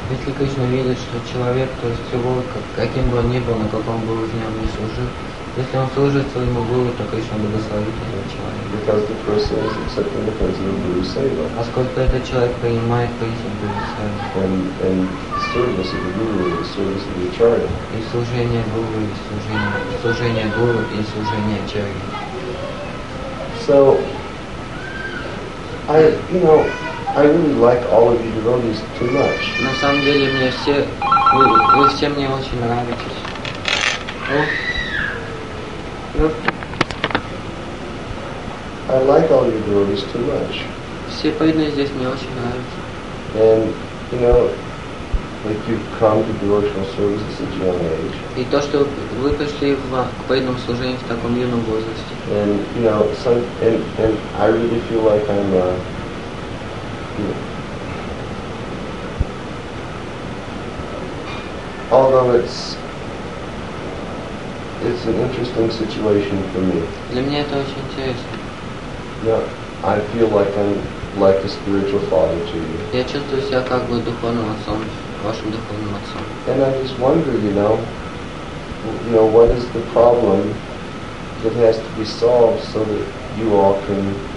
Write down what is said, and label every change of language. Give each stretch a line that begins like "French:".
Russian: Если Кришна видит, что человек, то есть его, каким бы он ни был, на каком бы уровне он ни служил, если он служит своему гуру, то Кришна благословит этого человека.
English: Because the person is accepting the principle of Guru Seva.
Russian: Поскольку этот человек принимает принцип Гуру Сева.
English: And service of the Guru is service of the Acharya.
Russian: И служение Гуру, и служение Гуру, и служение Ачарьи.
English: So, I really like all of you devotees too much.
Russian: На самом деле мне все вы все мне очень нравитесь.
English: I like all you devotees too much.
Russian: Все преданные здесь мне очень нравятся.
English: And you know, like you've come to devotional service at such a young age.
Russian: И то, что вы пришли к преданному служению в таком юном возрасте.
English: And you know, and I really feel like I'm. Although it's an interesting situation for me.
Russian: Для меня это очень интересно.
English: Yeah, I feel like I'm like a spiritual father to you.
Russian: Я чувствую себя как бы духовным отцом, вашим духовным отцом.
English: And I just wonder, you know, what is the problem that has to be solved so that you all can.